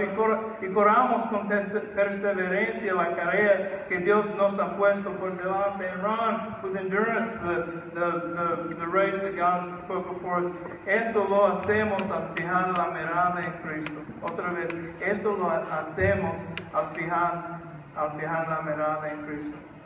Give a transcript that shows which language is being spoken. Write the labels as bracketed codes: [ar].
[es] Y corramos con perseverancia la carrera que Dios nos ha puesto por delante. [en] And run with endurance the race that God has put before us. [es] Esto lo hacemos al fijar la mirada en Cristo. Otra vez, esto lo hacemos al fijar al fijar la mirada en Cristo.